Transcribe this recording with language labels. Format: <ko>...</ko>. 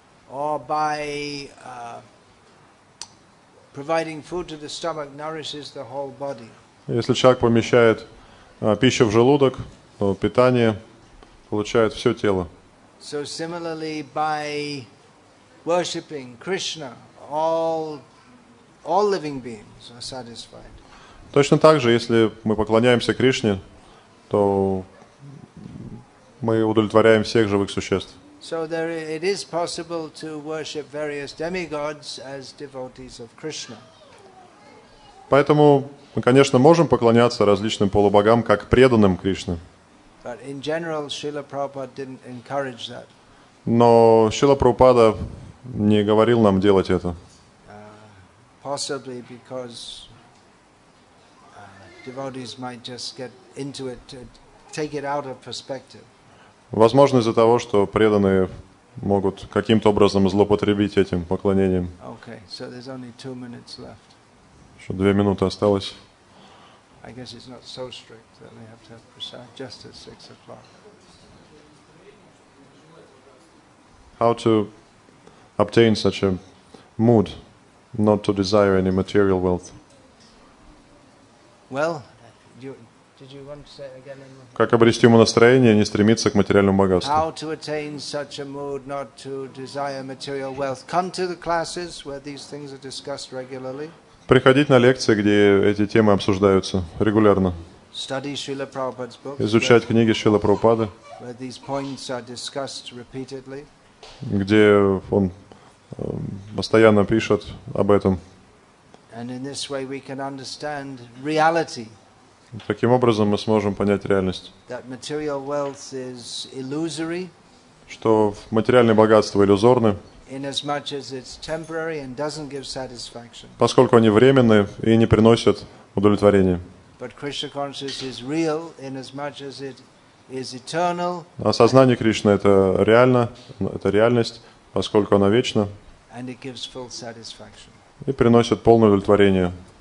<en>Or by providing food to the stomach nourishes the whole body.</en> <ru>Если человек помещает пищу в желудок, то питание получает все тело.</ru> <en>So similarly, by worshipping Krishna, all living beings are satisfied.</en> <ru>Точно так же, если мы поклоняемся Кришне, то мы удовлетворяем всех живых существ.</ru> <en>So there it is possible to worship various demigods as devotees of Krishna.</en> <ru>Поэтому мы, конечно, можем поклоняться различным полубогам как преданным Кришне.</ru> <en>But in general, Srila Prabhupada didn't encourage that.</en> <ru>Но Шрила Прабхупада не говорил нам делать это.</ru> <en>Possibly because devotees might just get into it, take it out of perspective.</en> <ru>Возможно, из-за того, что преданные могут каким-то образом злоупотребить этим поклонением.</ru> <en>Okay, so there's only 2 minutes left.</en> <ru>Еще 2 минуты осталось.</ru> <en>I guess it's not so strict that we have to have prasad just at 6 o'clock. How to obtain such a mood, not to desire any material wealth? Well, did you want to say again?</en> <ru>Как обрести ему настроение, не стремиться к материальному богатству?</ru> <en>How to attain such a mood, not to desire material wealth? Come to the classes where these things are discussed regularly.</en> <ru>Приходить на лекции, где эти темы обсуждаются регулярно.</ru> <en>Study Srila Prabhupada's books.</en> <ru>Изучать книги Шрилы Прабхупады.</ru> <en>Where these points are discussed repeatedly.</en> <ru>Где он постоянно пишет об этом.</ru> <en>And in this way we can understand reality.</en> <ru>Таким образом мы сможем понять реальность.</ru> <en>That material wealth is illusory.</en> <ru>Что материальное богатство иллюзорно.</ru> <en>Inasmuch as it's temporary and doesn't give satisfaction.</en> <ru>Поскольку они временны и не приносят удовлетворения.</ru> <en>But Krishna consciousness is real inasmuch as it is eternal.</en> <ru>Осознание Кришны это реально, это реальность, поскольку она вечна.</ru> <en>And it gives full satisfaction.</en> <ru>И приносит полное удовлетворение.</ru>